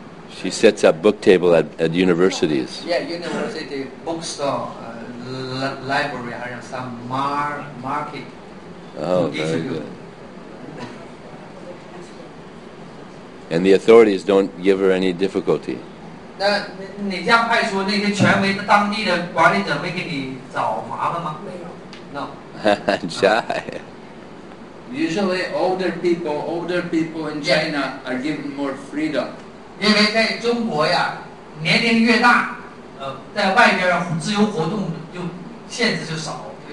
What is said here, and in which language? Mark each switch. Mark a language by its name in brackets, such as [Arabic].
[English] She sets up book table at universities. Yeah, university bookstore, library, or some market. Oh, very good. And the authorities don't give her any difficulty. [Chinese] 那你这样派出那些权威的当地的管理者会给你找麻烦吗？没有 [English] ，no. 哈哈， [Chinese] 假。 [English] Usually, older people in China are given more freedom. [Chinese] 因为在中国呀，年龄越大，在外边自由活动就限制就少。